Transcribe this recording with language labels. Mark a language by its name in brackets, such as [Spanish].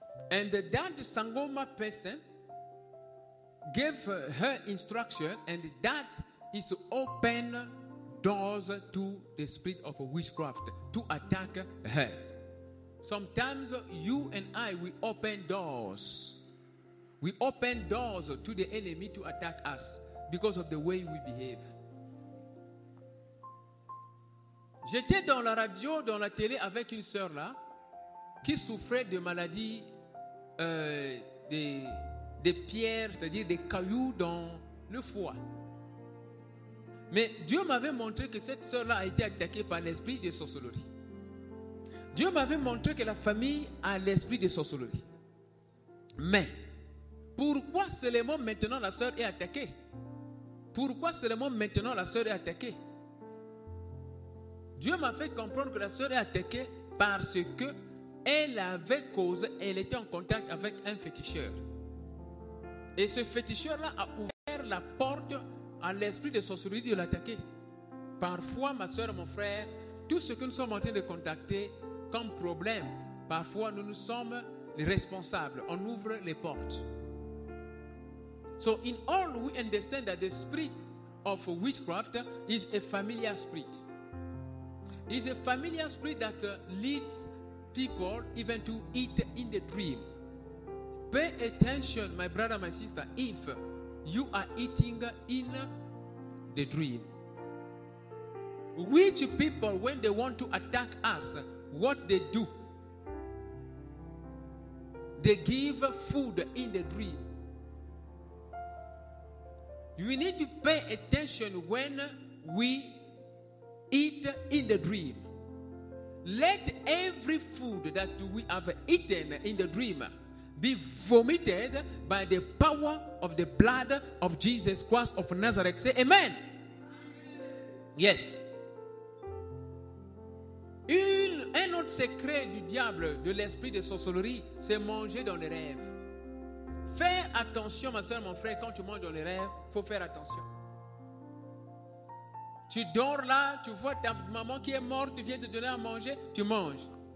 [English] And that Sangoma person gave her instruction, and that is to open doors to the spirit of witchcraft to attack her. Sometimes you and I, we open doors. We open doors to the enemy to attack us. Because of the way we behave. [French] J'étais dans la radio, dans la télé avec une sœur là qui souffrait de maladies de pierres, c'est-à-dire des cailloux dans le foie. Mais Dieu m'avait montré que cette sœur là a été attaquée par l'esprit de sorcellerie. Dieu m'avait montré que la famille a l'esprit de sorcellerie. Mais pourquoi seulement maintenant la sœur est attaquée? Pourquoi seulement maintenant la sœur est attaquée? Dieu m'a fait comprendre que la sœur est attaquée parce que elle avait causé, elle était en contact avec un féticheur. Et ce féticheur-là a ouvert la porte à l'esprit de sorcellerie de l'attaquer. Parfois, ma sœur, mon frère, tout ce que nous sommes en train de contacter comme problème, parfois nous sommes les responsables, on ouvre les portes. [English] So in all, we understand that the spirit of witchcraft is a familiar spirit. It's a familiar spirit that leads people even to eat in the dream. Pay attention, my brother, my sister, if you are eating in the dream. Which people, when they want to attack us, what they do? They give food in the dream. We need to pay attention when we eat in the dream. Let every food that we have eaten in the dream be vomited by the power of the blood of Jesus Christ of Nazareth. Say amen. Amen. Yes. [French] Un autre secret du diable, de l'esprit de sorcellerie, c'est manger dans les rêves. Fais attention, ma soeur, mon frère, quand tu manges dans les rêves, il faut faire attention. Tu dors là, tu vois ta maman qui est morte, tu viens te donner à manger, tu manges.